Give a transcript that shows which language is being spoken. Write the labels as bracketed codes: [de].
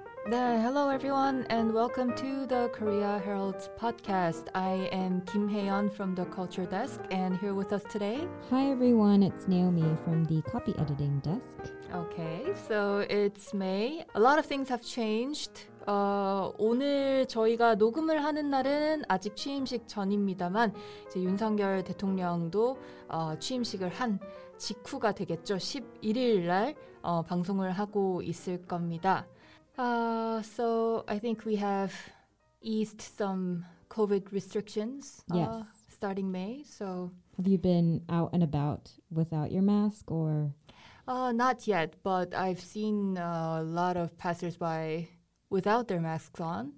[en] Hello everyone and welcome to the Korea Herald's podcast. I am Kim Hae-yeon from the culture desk and here with us today. Hi everyone, it's Naomi from the copy editing desk. Okay, so it's May. A lot of things have changed. [ko] 오늘 저희가 녹음을 하는 날은 아직 취임식 전입니다만 이제 윤석열 대통령도 취임식을 한 직후가 되겠죠. 11일 날 방송을 하고 있을 겁니다. [en] So I think we have eased some COVID restrictions starting May. So have you been out and about without your mask or? Not yet, but I've seen a lot of passersby without their masks on.